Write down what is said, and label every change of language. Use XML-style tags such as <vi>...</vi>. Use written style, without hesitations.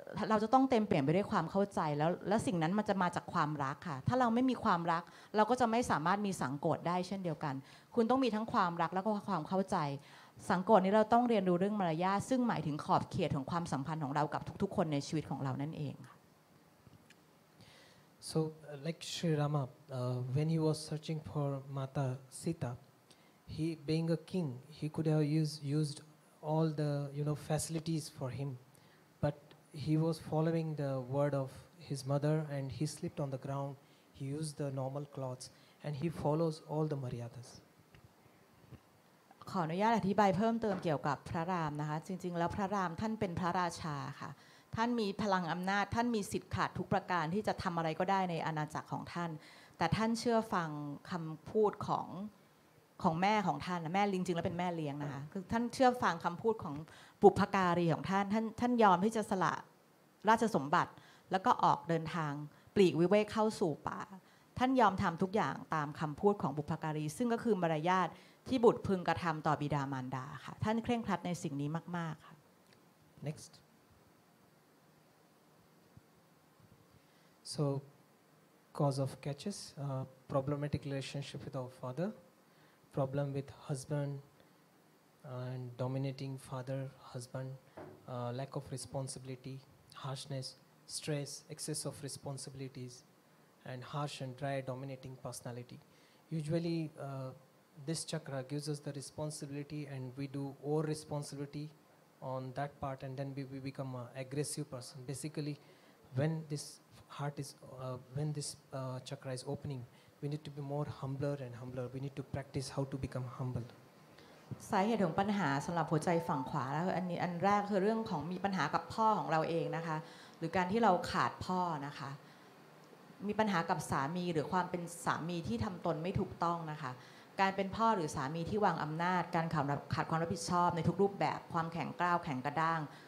<th>เราจะต้องเต็มเปี่ยมไปด้วยความเข้าใจแล้วสิ่งนั้นมันจะมาจากความรักค่ะถ้าเราไม่มีความรักเราก็จะไม่สามารถมีสังโกฏได้เช่นเดียวกันคุณต้องมีทั้งความรักแล้วก็ความเข้าใจสังโกฏนี้เราต้องเรียนรู้เรื่องมารยาทซึ่งหมายถึงขอบเขตของความสัมพันธ์ของเรากับทุกๆคนในชีวิตของเรานั่นเองค่ะ</th> <en>So like Shri Rama when he was searching for Mata Sita he being a king he could have used all the facilities for himHe was following the word of his mother and he slipped on the ground. He used the normal clothes and he follows all the maryadas.</en> <th>ขออนุญาตอธิบายเพิ่มเติมเกี่ยวกับพระรามนะคะจริงๆแล้วพระรามท่านเป็นพระราชาค่ะท่านมีพลังอำนาจท่านมีสิทธิ์ขาดทุกประการที่จะทำอะไรก็ได้ในอาณาจักรของท่านแต่ท่านเชื่อฟังคำพูด ของแม่ของท่านนะแม่จริงๆแล้วเป็นแม่เลี้ยงนะคะคือท่านเชื่อฟังคำพูดของบุพการีของท่านท่านยอมที่จะสละราชสมบัติแล้วก็ออกเดินทางปลีกวิเวกเข้าสู่ป่าท่านยอมทำทุกอย่างตามคำพูดของบุพการีซึ่งก็คือมารยาทที่บุตรพึงกระทำต่อบิดามารดาค่ะท่านเคร่งครัดในสิ่งนี้มากๆค่ะ</th> <en>next so cause of catches problematic relationship with our fatherproblem with husband and dominating father husband lack of responsibility, harshness, stress, excess of responsibilities, and harsh and dry dominating personality. Usually, this chakra gives us the responsibility and we do over responsibility on that part, and then we become an aggressive person. Basically, when this heart is, when this chakra is opening, we need to be more humbler and humbler. We need to practice how to become humble.</en> <th>สาเหตุของปัญหาสำหรับหัวใจฝั่งขวาแล้วอันนี้อันแรกคือเรื่องของมีปัญหากับพ่อของเราเองนะคะหรือการที่เราขาดพ่อนะคะมีปัญหากับสามีหรือความเป็นสามีที่ทำตนไม่ถูกต้องนะคะการเป็นพ่อหรือสามีที่วางอำนาจการขาดความรับผิดชอบในทุกรูปแบบความแข็งกร้าวแข็งกระด้าง</th>